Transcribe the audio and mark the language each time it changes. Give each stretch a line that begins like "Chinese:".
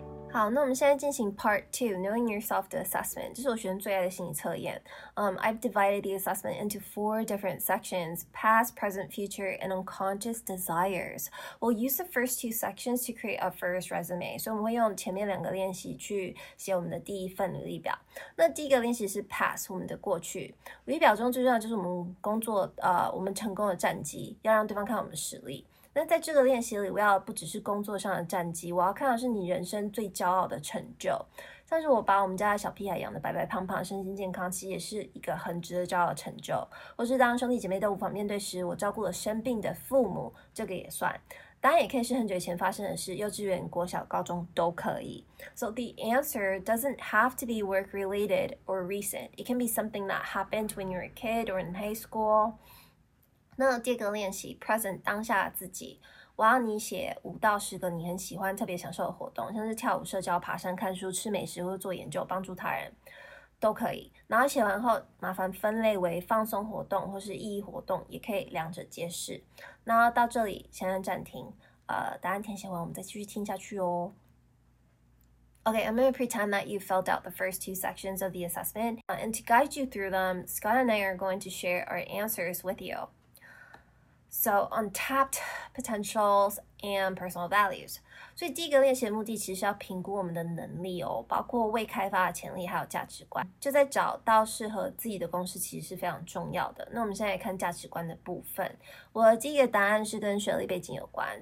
Chinese: 好，那我们现在进行 part 2, knowing yourself the assessment. 这是我学生最爱的心理测验。
English: I've divided the assessment into 4 different sections, past, present, future, and unconscious desires. We'll use the first 2 sections to create our first resume.
Chinese: 所以我们会用前面两个练习去写我们的第一份履历表。那第一个练习是 past, 我们的过去。履历表中最重要就是我们工作我们成功的战绩，要让对方看我们的实力。那在这个练习里，我要不只是工作上的战绩，我要看到是你人生最骄傲的成就。像是我把我们家的小屁孩养得白白胖胖，身心健康，其实也是一个很值得骄傲的成就。或是当兄弟姐妹都无法面对时，我照顾了生病的父母，这个也算。当然也可以是很久以前发生的事，幼稚园、国小、高中都可以。
English: So the answer doesn't have to be work related or recent. It can be something that happened when you were a kid or in high school.
Chinese: 那第二个练习 present 当下自己，我要你写5到10个你很喜欢特别享受的活动，像是跳舞、社交、爬山、看书、吃美食或做研究、帮助他人都可以。然后写完后麻烦分类为放松活动或是意义活动，也可以两者皆是。那到这里先暂停，答案填写完我们再继续听下去哦。
English: Okay, I'm going to pretend that you filled out the first 2 sections of the assessment, and to guide you through them, Scott and I are going to share our answers with youSo, untapped potentials and personal values.
Chinese: 所以第一个练习的目的其实是要评估我们的能力哦，包括未开发的潜力还有价值观。就在找到适合自己的公司其实是非常重要的。那我们现在来看价值观的部分。我的第一个答案是跟学历背景有关。